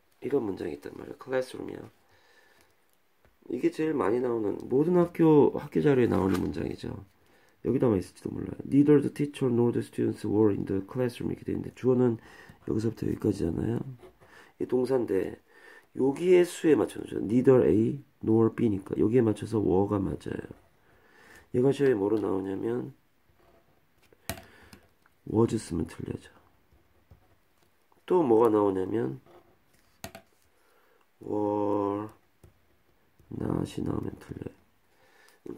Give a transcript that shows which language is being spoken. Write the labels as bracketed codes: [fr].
[ko] 이런 문장이 있단 말이야. 클래스룸이야. 이게 제일 많이 나오는 모든 학교 자료에 나오는 문장이죠. 여기다만 있을지도 몰라요. [en] Neither the teacher nor the students were in the classroom [ko] 이렇게 되어 있는데 주어는 여기서부터 여기까지잖아요. 이 동사인데 여기에 수에 맞춰주죠. Neither A nor B니까 여기에 맞춰서 were가 맞아요. 얘가 시험에 뭐로 나오냐면 was 쓰면 틀려져. 또 뭐가 나오냐면 were not이 나오면 틀려요.